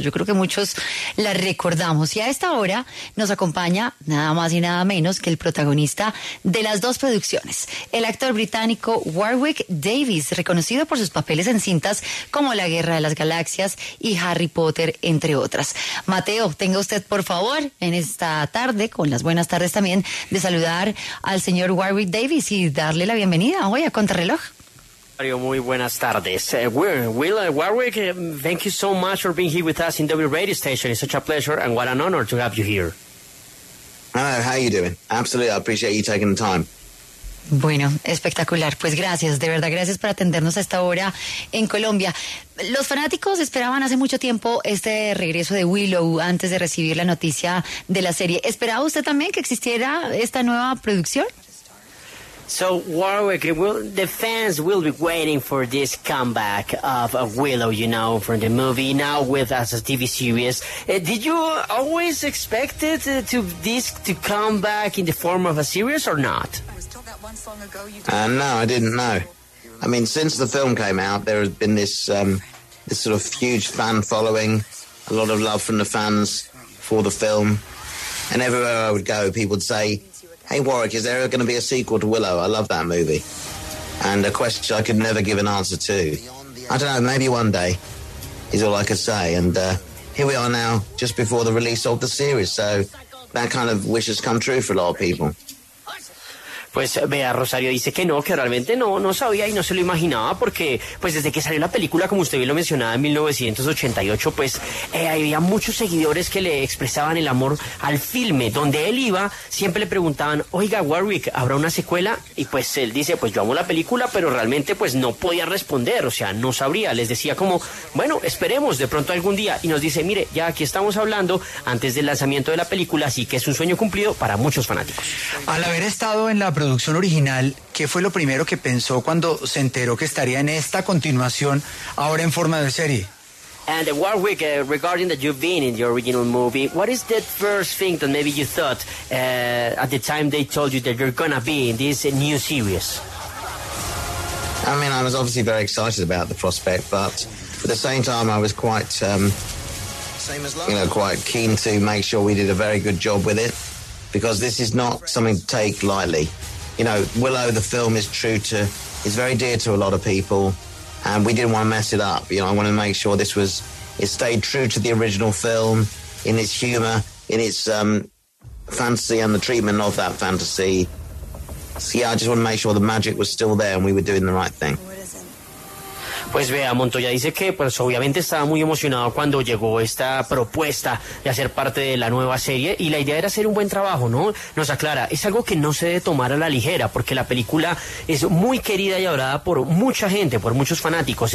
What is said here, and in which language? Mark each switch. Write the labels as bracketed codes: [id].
[es] Yo creo que muchos la recordamos. Y a esta hora nos acompaña nada más y nada menos que el protagonista de las dos producciones, el actor británico Warwick Davis, reconocido por sus papeles en cintas como La Guerra de las Galaxias y Harry Potter, entre otras. Mateo, tenga usted, por favor, en esta tarde, con las buenas tardes también, de saludar al señor Warwick Davis y darle la bienvenida hoy a Contrarreloj. Mario, muy buenas tardes. [en] Warwick, thank you so much for being here with us in W Radio Station. It's such a pleasure and what an honor to have you here. Hello, how are you doing? Absolutely, I appreciate you taking the time. [es] Bueno, espectacular. Pues gracias, de verdad, gracias por atendernos a esta hora en Colombia. Los fanáticos esperaban hace mucho tiempo este regreso de Willow antes de recibir la noticia de la serie. ¿Esperaba usted también que existiera esta nueva producción? [en] So, Warwick, the fans will be waiting for this comeback of Willow, you know, from the movie, now with us as a TV series. Did you always expect it to come back in the form of a series or not? No, I didn't know. I mean, since the film came out, there has been this sort of huge fan following, a lot of love from the fans for the film. And everywhere I would go, people would say, hey, Warwick, is there going to be a sequel to Willow? I love that movie. And a question I could never give an answer to. I don't know, maybe one day is all I could say. And here we are now, just before the release of the series. So that kind of wish has come true for a lot of people. [es] Pues vea, Rosario dice que no, que realmente no sabía y no se lo imaginaba, porque pues desde que salió la película, como usted bien lo mencionaba, en 1988, pues había muchos seguidores que le expresaban el amor al filme. Donde él iba, siempre le preguntaban, oiga, Warwick, ¿habrá una secuela? Y pues él dice, pues yo amo la película, pero realmente pues no podía responder, o sea, no sabría. Les decía como, bueno, esperemos de pronto algún día, y nos dice, mire, ya aquí estamos hablando antes del lanzamiento de la película, así que es un sueño cumplido para muchos fanáticos. Al haber estado en la producción original, ¿qué fue lo primero que pensó cuando se enteró que estaría en esta continuación ahora en forma de serie? [en] And Warwick, regarding that you've been in the original movie, what is that first thing that maybe you thought at the time they told you that you're gonna be in this new series? I mean, I was obviously very excited about the prospect, but at the same time I was quite quite keen to make sure we did a very good job with it. Because this is not something to take lightly. You know, Willow, the film is very dear to a lot of people, and we didn't want to mess it up. You know, I wanted to make sure it stayed true to the original film, in its humor, in its fantasy and the treatment of that fantasy. So yeah, I just want to make sure the magic was still there and we were doing the right thing. [es] Pues vea, Montoya dice que pues obviamente estaba muy emocionado cuando llegó esta propuesta de hacer parte de la nueva serie, y la idea era hacer un buen trabajo, ¿no? Nos aclara, es algo que no se debe tomar a la ligera, porque la película es muy querida y adorada por mucha gente, por muchos fanáticos.